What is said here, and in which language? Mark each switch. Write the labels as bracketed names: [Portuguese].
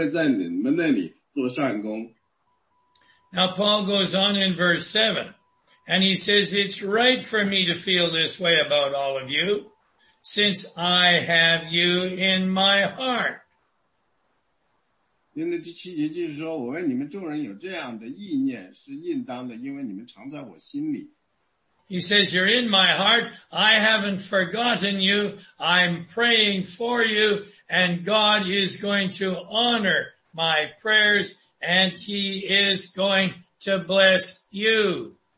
[Chinese] 我知道你们那里，但是我盼望着你们那里会越来越好，神会在你们那里做善功。 [English] Now Paul goes on in verse 7. And he says, it's right for me to feel this way about all of you, since I have you in my heart. [Chinese] 因为第七节就是说，我为你们众人有这样的意念是应当的，因为你们常在我心里。 [English] He says, you're in my heart, I haven't forgotten you, I'm praying for you, and God is going to honor my prayers, and he is going to bless you.